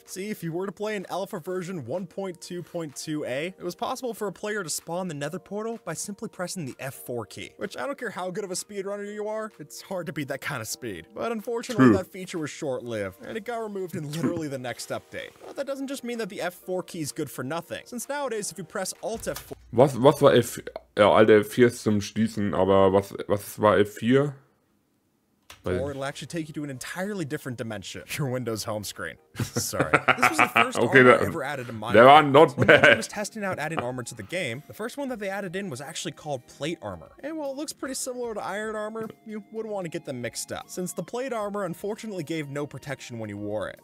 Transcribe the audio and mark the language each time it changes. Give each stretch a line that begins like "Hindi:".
English: See, if you were to play an alpha version 1.2.2a, it was possible for a player to spawn the nether portal by simply pressing the F4 key, which I don't care how good of a speedrunner you are, it's hard to beat that kind of speed. But unfortunately, that feature was short-lived, and it got removed in literally the next update. But that doesn't just mean that the F4 key is good for nothing, since nowadays, if you press Alt-F4...
German: Was war F... Ja, alte F4 ist zum Schließen, aber was war F4?
English: Or it'll actually take you to an entirely different dimension. Your Windows home screen. Sorry. This was the first armor ever added to Minecraft. They are not bad. When I was testing out adding armor to the game, the first one that they added in was actually called plate armor. And while it looks pretty similar to iron armor, you wouldn't want to get them mixed up, since the plate armor unfortunately gave no protection when you wore it.